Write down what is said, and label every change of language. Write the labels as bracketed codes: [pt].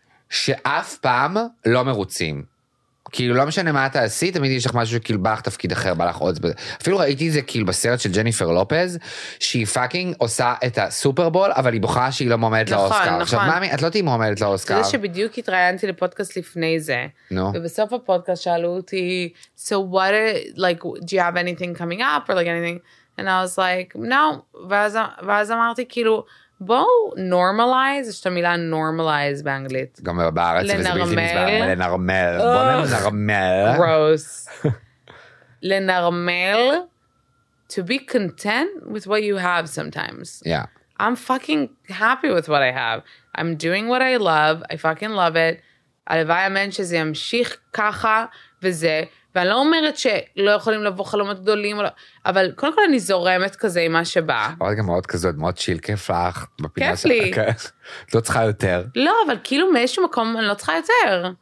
[he] שאף פעם לא מרוצים. כאילו לא משנה מה אתה עשית, תמיד יש לך משהו שכאילו בא לך תפקיד אחר, בא לך עוד. אפילו ראיתי זה כאילו בסרט של ג'ניפר לופז, שהיא פאקינג עושה את הסופרבול, אבל היא בוכה שהיא לא מועמדת לאוסקר. נכון, עכשיו, נכון. מה, את לא תהיה מועמדת לאוסקר. זה שבדיוק התראיינתי לפודקאסט לפני זה. נו. ובסוף הפודקאסט שאלו אותי, [en] so what, like, do you have anything coming up, or like anything? And I was like, no. [he] ואז אמרתי כאילו, בואו normalize, יש את המילה normalize באנגלית. גם בארץ, לנרמל. לנרמל. [en] Gross. [he] לנרמל. [en] To be content with what you have sometimes. Yeah. I'm fucking happy with what I have. I'm doing what I love. I fucking love it. [he] הלוואי אמן שזה ימשיך ככה וזה. ואני לא אומרת שלא יכולים לבוא חלומות גדולים, אבל קודם כל אני זורמת כזה עם מה שבא. עוד גם מאוד כזאת, מאוד שיל, כיף לך. כיף לי. לא צריכה יותר. לא, אבל כאילו מאיזשהו מקום אני לא צריכה יותר.